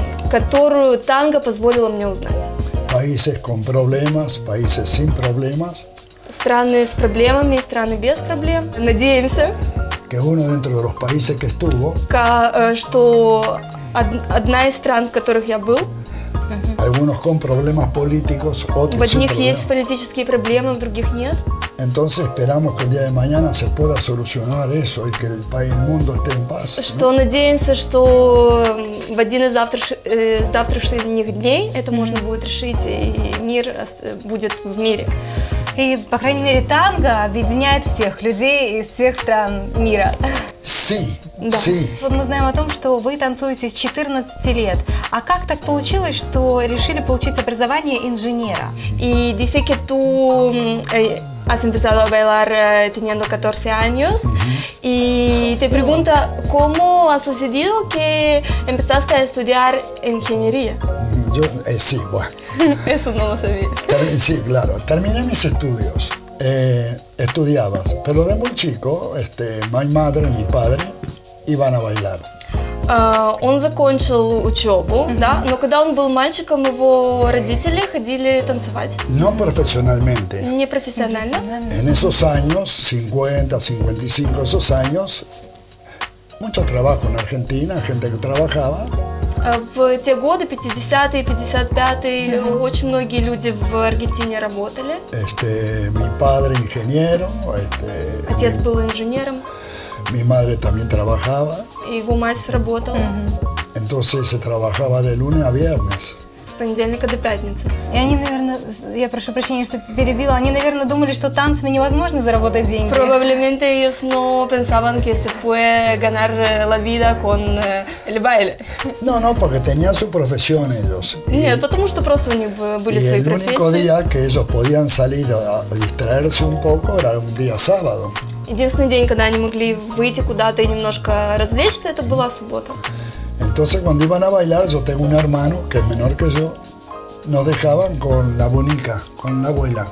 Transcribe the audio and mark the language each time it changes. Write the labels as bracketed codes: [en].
[ru] которую танго позволило мне узнать. [es] Países con problemas, países sin problemas. [ru] Страны с проблемами, страны без проблем. Надеемся, [es] que uno dentro de los países que estuvo, [ru] что одна из стран, в которых я был, [es] algunos con problemas políticos, otros [ru] в одних sin есть политические проблемы, в других нет. [es] Entonces esperamos que el día de mañana se pueda solucionar eso y que el país, el mundo esté en paz. [ru] Что надеемся, что в один из завтрашних дней это можно будет решить и мир будет в мире. И, по крайней мере, танго объединяет всех людей из всех стран мира. [es] Sí, [ru] да. [es] Sí. [ru] Вот мы знаем о том, что вы танцуете с 14 лет. А как так получилось, что решили получить образование инженера? И [es] dice que tú has empezado a bailar teniendo 14 años. Y te pregunta, ¿cómo ha sucedido que empezaste a estudiar ingeniería? Yo, sí, bueno. Eso no lo sabía. Sí, claro. Terminé mis estudios. Estudiaba. Pero de muy chico, mi madre, mi padre, iban a bailar. [ru] Он закончил учебу, да? Но когда он был мальчиком, его родители ходили танцевать. [es] No profesionalmente. [ru] Не профессионально. [es] En esos años, 50, 55, esos años, mucho trabajo en Argentina, gente que trabajaba. [ru] В те годы, 50-е, 55-е, очень многие люди в Аргентине работали. [es] Mi padre ingeniero, [ru] отец был инженером. [es] Mi madre también trabajaba. [ru] Его мать работала. [es] Entonces se trabajaba de lunes a viernes. [ru] С понедельника до пятницы. И они, наверное, я прошу прощения, что перебила, они, наверное, думали, что танцами невозможно заработать деньги. [es] Probablemente ellos no pensaban que se puede ganar la vida con el baile. No, no, porque tenían su profesión ellos. [ru] Нет, потому что просто у них были свои профессии. [es] Y el único día que ellos podían salir a distraerse un poco era un día sábado. [ru] Единственный день, когда они могли выйти куда-то и немножко развлечься, это была суббота. [es] Entonces, cuando iban a bailar, yo tengo un hermano, que es menor que yo, nos dejaban con la bonica, con la abuela,